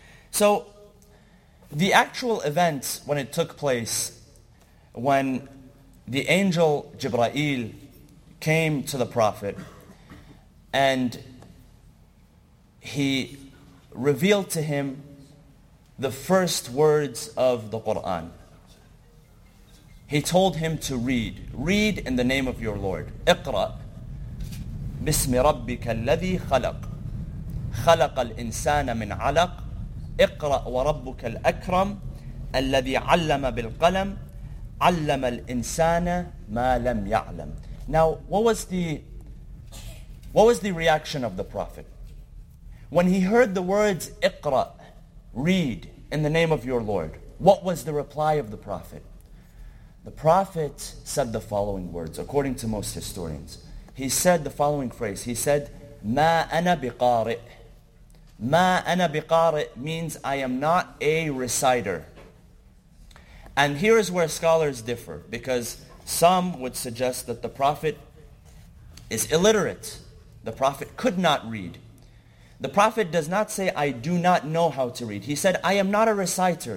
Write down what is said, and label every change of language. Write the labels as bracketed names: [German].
[English] So, the actual event when it took place, when the angel Jibra'il came to the Prophet and he revealed to him the first words of the Qur'an. He told him to read. Read in the name of your Lord. [Arabic] اقرأ بسم ربك الذي خلق خلق الإنسان من علق اقرأ وربك الأكرم الذي علم بالقلم علم الإنسان ما لم يعلم. [English] Now, what was the reaction of the Prophet? When he heard the words اقرأ, read, in the name of your Lord, what was the reply of the Prophet? The Prophet said the following words, according to most historians. He said the following phrase. He said, [Arabic] مَا أَنَا بِقَارِئ. مَا أَنَا بِقَارِئ [English] means I am not a reciter. And here is where scholars differ, because some would suggest that the Prophet is illiterate. The Prophet could not read. The Prophet does not say, I do not know how to read. He said, I am not a reciter.